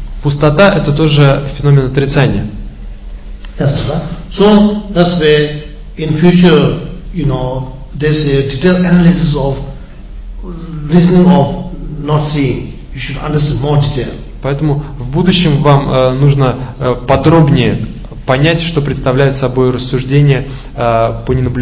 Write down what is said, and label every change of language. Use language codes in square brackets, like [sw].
[ru] Пустота – это тоже феномен отрицания. [en] Yes, right? So, that's why in future, you know, there's a detailed analysis of listening of not seeing. You should understand more detail. [ru] Поэтому в будущем вам нужно подробнее понять, что представляет собой рассуждение по